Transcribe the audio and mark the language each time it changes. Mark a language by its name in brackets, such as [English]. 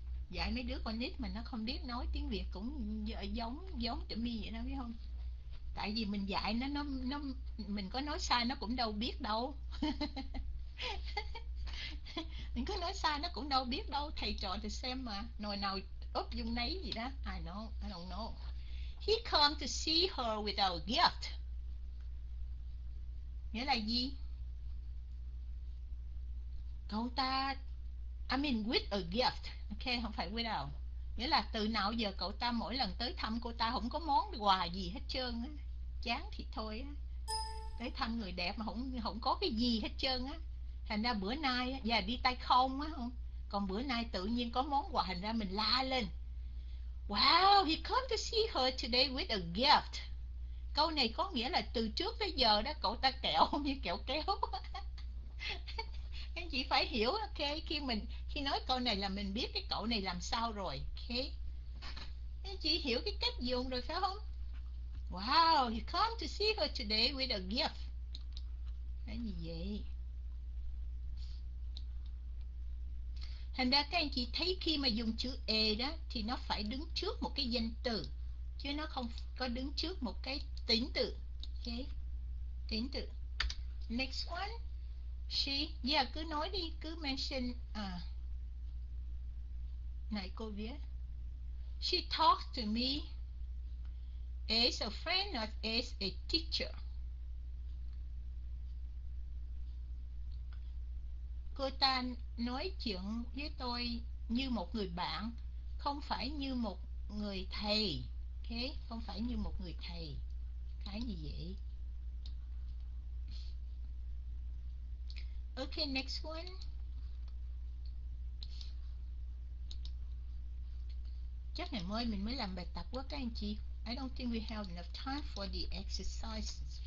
[Vietnamese] Dạy mấy đứa con nít mà nó không biết nói tiếng Việt cũng giống giống tiếng mi vậy đó, biết không? Tại vì mình dạy nó mình có nói sai nó cũng đâu biết đâu. Mình cứ nói sai nó cũng đâu biết đâu. Thầy trò thì xem mà. Nồi nào úp dung nấy gì đó. [English] I don't know. He come to see her with a gift. [Vietnamese] Nghĩa là gì? Cậu ta, [English] I mean with a gift. Ok, [Vietnamese] không phải [English] without. [Vietnamese] Nghĩa là từ nào giờ cậu ta mỗi lần tới thăm cô ta không có món quà gì hết trơn á. Chán thì thôi á. Tới thăm người đẹp mà không có cái gì hết trơn á. Thành ra bữa nay á, giờ đi tay không á không. Còn bữa nay tự nhiên có món quà, hình ra mình la lên. [English] Wow, he come to see her today with a gift. [Vietnamese] Câu này có nghĩa là từ trước tới giờ đó cậu ta kẹo như kẹo kéo. Anh chị phải hiểu, ok, khi nói câu này là mình biết cái cậu này làm sao rồi, ok. Anh chị hiểu cái cách dùng rồi phải không? [English] Wow, he come to see her today with a gift. [Vietnamese] Cái gì vậy? Thành ra các anh chị thấy khi mà dùng chữ A đó thì nó phải đứng trước một cái danh từ, chứ nó không có đứng trước một cái tính từ. Ok. Tính từ. [English] Next one. She. Yeah, [Vietnamese] cứ nói đi. Cứ mention. Này cô viết. [English] She talked to me as a friend, not as a teacher. [Vietnamese] Cô ta nói chuyện với tôi như một người bạn, không phải như một người thầy. Ok, không phải như một người thầy. Cái gì vậy? [English] Ok, next one. [Vietnamese] Chắc ngày mai mình mới làm bài tập quá các anh chị. [English] I don't think we have enough time for the exercises.